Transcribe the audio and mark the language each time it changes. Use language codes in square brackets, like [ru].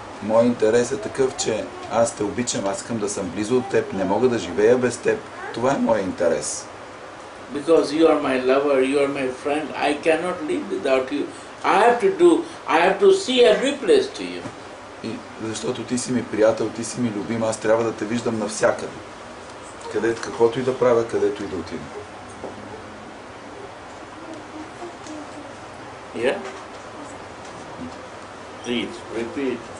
[bg] Мой интерес е такъв, че аз те обичам, аз искам да съм близо от теб, не мога да живея без теб. Това е моят интерес. [en] Because you are my lover, you are my friend, I cannot live without you. I have to see every place to you. [bg] И защото ти си ми приятел, ти си ми любим, аз трябва да те виждам навсякъде. Където каквото и да правя, където и да отида. [en] Yeah? Please, repeat.